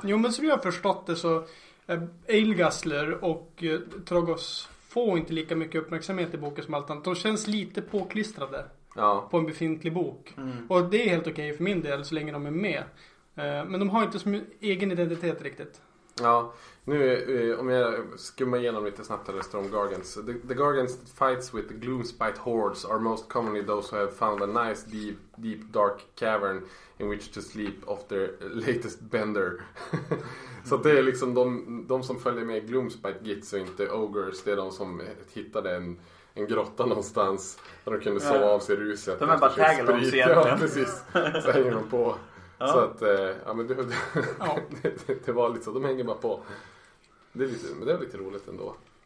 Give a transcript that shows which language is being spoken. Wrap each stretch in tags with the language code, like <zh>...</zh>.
<sv>Jo, men som jag har förstått det så Ailgutslur och Trogoths får inte lika mycket uppmärksamhet i boken som allt annat. De känns lite påklistrade. Ja. På en befintlig bok. Mm. Och det är helt okej för min del så länge de är med. Men de har inte så egen identitet riktigt. Ja, nu om jag skummar igenom lite snabbt eller Storm Gargants.</sv> <en>The Gargants that fights with the Gloomspite hordes are most commonly those who have found a nice deep, deep dark cavern in which to sleep off their latest bender.</en> <sv>Så det är liksom de som följer med Gloomspite gits och inte ogres. Det är de som hittade en grotta någonstans där de kunde sova av sig ruset. De är bara tagalongs egentligen. Ja, precis. Så hänger de på. Ja. Så att, ja men du... Det var lite så, de hänger bara på. Det är lite, men det är lite roligt ändå.</sv>